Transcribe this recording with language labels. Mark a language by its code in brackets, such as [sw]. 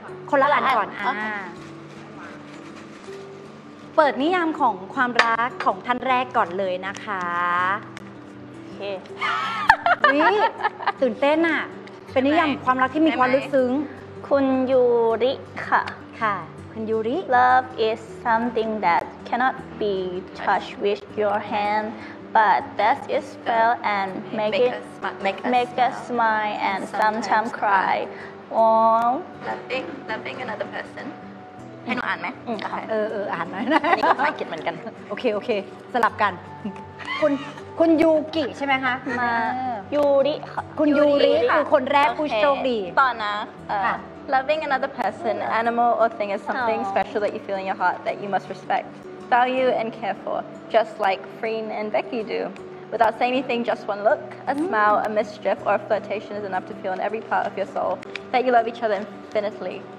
[th] คนละอันก่อนเปิดนิยามของความรักของท่านแรกก่อนเลยนะคะ โอเค นี่ตื่นเต้นอ่ะเป็นนิยามความรักที่มีความลึกซึ้ง คุณยูริค่ะ ค่ะคุณยูริ [en] Love is something that cannot be touched with your hand but best is felt and make us smile and sometimes cry all loving another person [th] ให้หนูอ่านไหม อ่านไ หมนี่ก็ไม่เก็ตเหมือนกัน โอเคสลับกันคุณยูกิใช่ไหมคะ มายูริ คุณยูริคือคนแรกผู้โชคดี ตอนนะ [en] Loving another person, animal or thing is something special that you feel in your heart that you must respect, value and care for, just like Freen and Becky do. Without saying anything, just one look, a smile, a mischief or a flirtation is enough to feel in every part of your soul that you love each other infinitely.